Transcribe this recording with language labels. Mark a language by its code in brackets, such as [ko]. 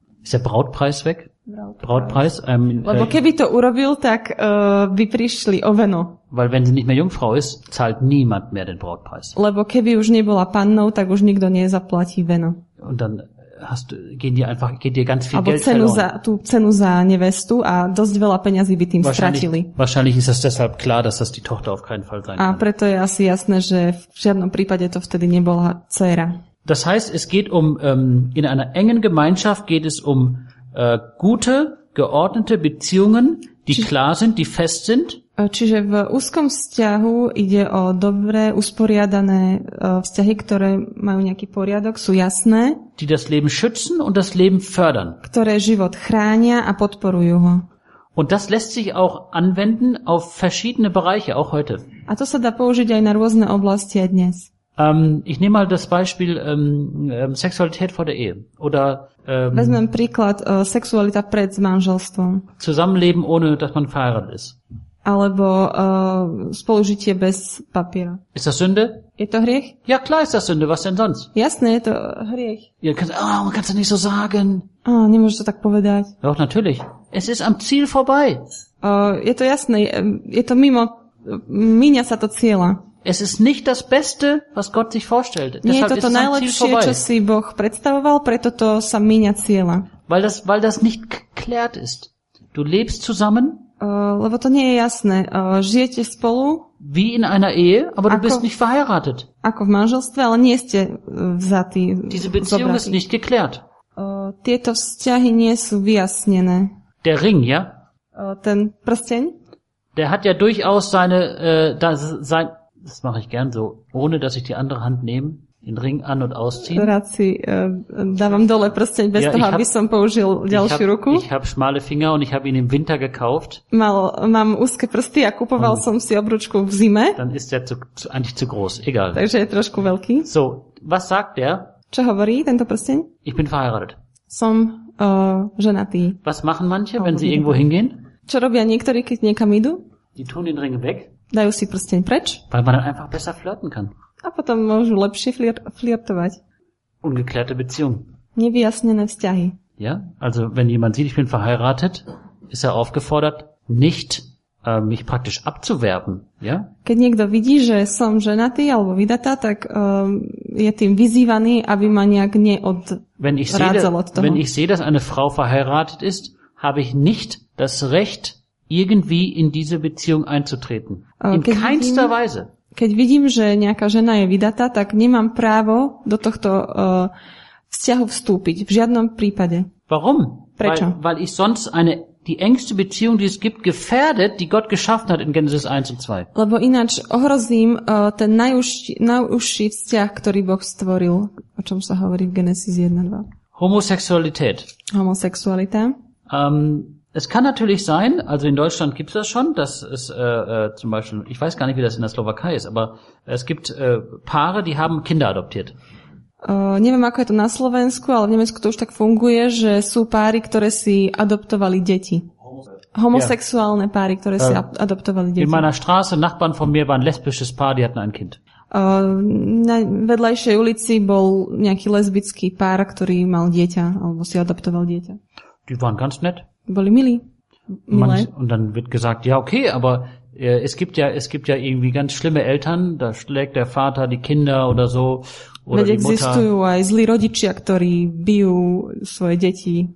[de] Ist der Brautpreis weg? [sk] Brautpreis. Lebo keby to urobil, tak by prišli o veno. [de] Weil wenn sie nicht mehr Jungfrau ist, zahlt niemand mehr den Brautpreis. [sk] Lebo keby už nebola pannou, tak už nikto nezaplatí veno. [de] Und dann hast, gehen dir einfach, geht dir ganz viel Geld verloren. [sk] Za, tú cenu za nevestu a dosť veľa peňazí by tým stratili. [de] Wahrscheinlich ist das deshalb klar, dass das die Tochter auf keinen Fall sein kann. [sk] A preto je asi jasné, že v žiadnom prípade to vtedy nebola dcéra. [de] Das heißt, es geht um, in einer engen Gemeinschaft geht es um gute, geordnete Beziehungen, die klar sind, die fest sind. [sk] Čiže v úzkom vzťahu ide o dobre usporiadané vzťahy, ktoré majú nejaký poriadok, sú jasné. [de] Die das Leben schützen und das Leben fördern. [sk] Ktoré život chránia a podporujú ho. [de] Und das lässt sich auch anwenden auf verschiedene Bereiche, auch heute. [sk] A to sa dá použiť aj na rôzne oblasti aj dnes. [de] Ich nehme mal das Beispiel Sexualität vor der Ehe. Oder [sk] Vezmem príklad sexualita pred manželstvom. [de] Zusammenleben ohne, dass man verheiratet ist. [sk] Alebo spolužitie bez papiera. [de] Ist das Sünde? [sk] Je to hriech? [de] Ja, klar ist das Sünde. Was denn sonst? [sk] Jasné, je to hriech. [de] Ja, man kann es nicht so sagen. [sk] Oh, nemôže to tak povedať. [de] Doch, natürlich. Es ist am Ziel vorbei. [sk] Je to jasné. Je to mimo. Míňa sa to cieľa. [de] Es ist nicht das Beste, was Gott sich vorstellt. [sk] Nie je to najlepšie, čo si Boh predstavoval, preto to sa míňa cieľa. [de] Weil das nicht geklärt ist. Du lebst zusammen. [sk] Lebo to nie je jasné. Žijete spolu? [de] Wie in einer Ehe, aber du bist nicht verheiratet. [sk] Ako v manželstve, ale nie ste vzatí. [de] Diese Beziehung ist nicht geklärt. [sk] Tieto vzťahy nie sú vyjasnené. [de] Der Ring, ja? [sk] Ten prsteň? [de] Der hat ja durchaus seine das mache ich gern so, ohne dass ich die andere Hand nehme, den Ring an- und ausziehe. [sk] Rád si dávam dole prsteň bez toho, aby som použil ďalšiu ruku. [de] Ich habe schmale Finger und ich habe ihn im Winter gekauft. [sk] Mám úzke prsty a kupoval som si obručku v zime. [de] Dann ist der eigentlich zu groß, egal. [sk] Takže je trošku veľký. [de] So, was sagt der? [sk] Čo hovorí tento prsteň? [de] Ich bin verheiratet. [sk] Som ženatý. [de] Was machen manche, wenn sie irgendwo hingehen? [sk] Čo robia niektorí, keď niekam idú? [de] Die tun den Ring weg. [sk] Dajú si prsteň preč. [de] Weil man dann einfach besser flirten kann. [sk] A potom môžu lepšie flirtovať. [de] Ungeklärte Beziehung. [sk] Nevyjasnené vzťahy. [de] Ja, also wenn jemand sieht, ich bin verheiratet, ist er aufgefordert, nicht mich praktisch abzuwerben. Ja? [sk] Keď niekto vidí, že som ženatý alebo vydatá, tak je tým vyzývaný, aby ma nejak neodrádzal od toho. [de] Wenn ich sehe, dass eine Frau verheiratet ist, habe ich nicht das Recht, irgendwie in diese Beziehung einzutreten. In keinster Weise. [sk] Keď vidím, že nejaká žena je vydatá, tak nemám právo do tohto vzťahu vstúpiť. V žiadnom prípade. [de] Warum? [sk] Prečo? [de] Weil ich sonst die engste Beziehung, die es gibt, gefährdet, die Gott geschaffen hat in Genesis 1 und 2. [sk] Lebo ináč ohrozím ten najužší vzťah, ktorý Boh stvoril, o čom sa hovorí v Genesis 1 a 2. Homosexualita. [de] Es kann natürlich sein, also in Deutschland gibt es das schon, dass es zum Beispiel, ich weiß gar nicht, wie das in der Slowakei ist, aber es gibt Paare, die haben Kinder adoptiert. [sk] Neviem, ako je to na Slovensku, ale v Nemecku to už tak funguje, že sú páry, ktoré si adoptovali deti. Homosexuálne páry, ktoré si adoptovali deti. [de] In meiner Straße, Nachbarn von mir, war ein lesbisches Paar, die hatten ein Kind. [sk] Na vedľajšej ulici bol nejaký lesbický pár, ktorý mal dieťa, alebo si adoptoval dieťa. [de] Die waren ganz nett. [sk] Boli milí. [de] Und dann wird gesagt, ja okay, aber es gibt ja irgendwie ganz schlimme Eltern, da schlägt der Vater die Kinder oder so, oder die Mutter. [sk] Existujú aj zlí rodičia, ktorí bijú svoje deti.